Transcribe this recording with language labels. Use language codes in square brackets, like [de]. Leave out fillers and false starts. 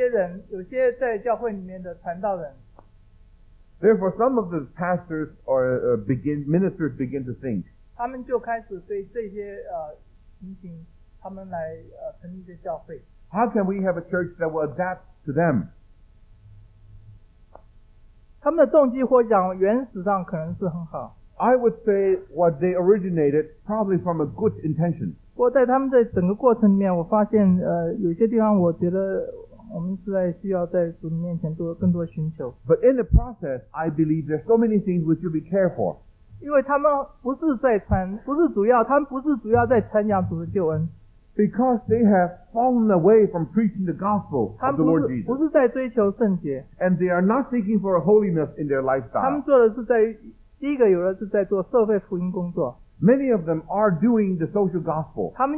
[zh] 所以就有些人，有些在教会里面的传道人。 [en] Therefore, some of the pastors or ministers begin to think. [zh] 他们就开始对这些情形。 [en] How can we have a church that will adapt to them? [zh] 他们的动机或讲原始上可能是很好。 [en] I would say what they originated probably from a good intention. [zh] 不过在他们的整个过程里面，我发现有些地方我觉得我们是在需要在主面前多更多寻求。 [en] But in the process, I believe there's so many things we should be careful for. [zh] 因为他们不是在传，不是主要，他们不是主要在传讲主的救恩。 [en] Because they have fallen away from preaching the gospel of the Lord Jesus. [zh] 不是在追求圣洁, [en] and they are not seeking for a holiness in their lifestyle. Many of them are doing the social gospel.